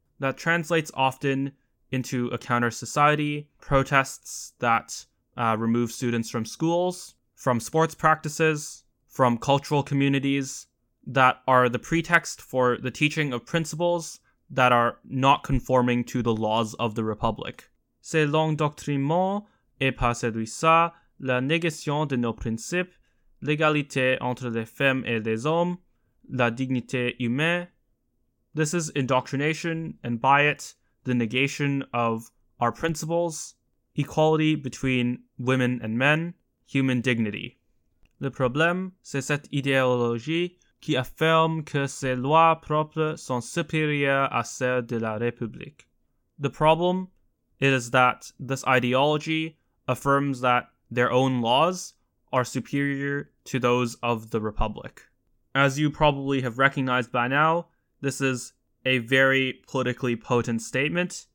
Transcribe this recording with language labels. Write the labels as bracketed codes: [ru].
[en] That translates often into a counter-society, protests that remove students from schools, from sports practices, from cultural communities, that are the pretext for the teaching of principles that are not conforming to the laws of the Republic. [fr] C'est l'endoctrinement et par celui-ci la négation de nos principes, l'égalité entre les femmes et les hommes, la dignité humaine. [en] This is indoctrination, and by it, the negation of our principles, equality between women and men, human dignity. [fr] Le problème, c'est cette idéologie qui affirme que ses lois propres sont supérieures à celles de la République. [en] The problem is that this ideology affirms that their own laws are superior to those of the Republic. As you probably have recognized by now, this is a very politically potent statement.